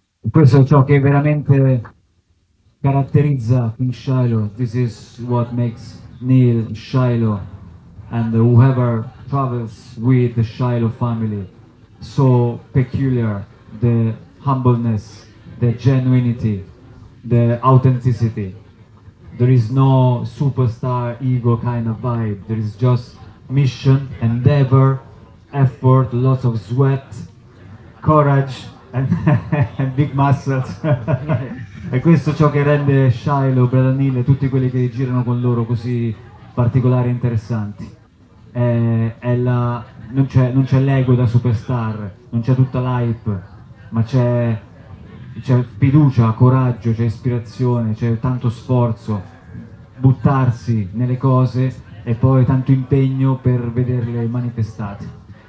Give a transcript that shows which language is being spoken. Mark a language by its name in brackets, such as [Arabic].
[Italian] Questo è ciò che veramente caratterizza in Shiloh. [English] This is what makes Neil Shiloh and whoever travels with the Shiloh family so peculiar: the humbleness, the genuinity, the authenticity. There is no superstar ego kind of vibe. There is just mission, endeavor, effort, lots of sweat, courage, and, and big muscles. [Italian] E questo ciò che rende Shiloh, Brother Neil, e tutti quelli che girano con loro così particolari e interessanti. Non c'è l'ego da superstar, non c'è tutta l'hype, ma c'è fiducia, coraggio, c'è ispirazione, c'è tanto sforzo, buttarsi nelle cose e poi tanto impegno per vederle manifestate.